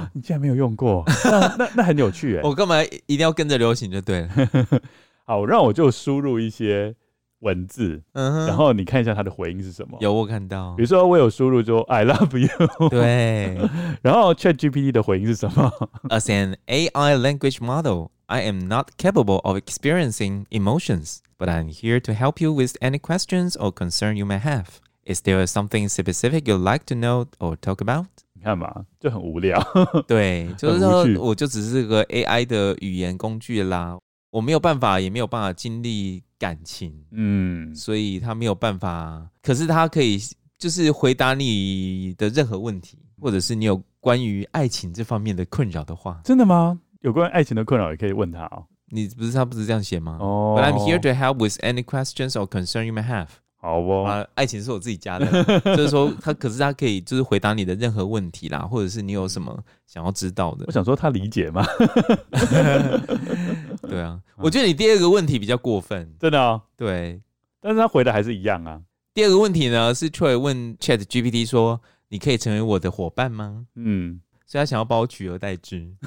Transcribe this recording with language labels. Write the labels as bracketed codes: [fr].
[zh] 你竟然没有用过？那很有趣哎、欸。我干嘛一定要跟着流行就对了？好，让我就输入一些文字，嗯哼，然后你看一下他的回应是什么。有，我看到，比如说我有输入就 [en] I love you， [zh] 对，然后 ChatGPT 的回应是什么？ [en] As an AI language model, I am not capable of experiencing emotions, but I'm here to help you with any questions or concern you may have. Is there something specific you'd like to know or talk about? [zh] 你看嘛，就很无聊。对，就是说我就只是个 AI 的语言工具啦，我没有办法，也没有办法经历感情，嗯，所以他没有办法，可是他可以就是回答你的任何问题，或者是你有关于爱情这方面的困扰的话。真的吗？有关于爱情的困扰也可以问他哦。你不是，他不是这样写吗？哦、oh. [en] But I'm here to help with any questions or concern you may have。 [zh] 好哦、啊、爱情是我自己加的。就是说他，可是他可以就是回答你的任何问题啦，或者是你有什么想要知道的。我想说他理解吗？对啊，我觉得你第二个问题比较过分。真的哦？对，但是他回的还是一样啊。第二个问题呢是 Troy 问 ChatGPT 说，你可以成为我的伙伴吗？嗯，所以他想要把我取而代之。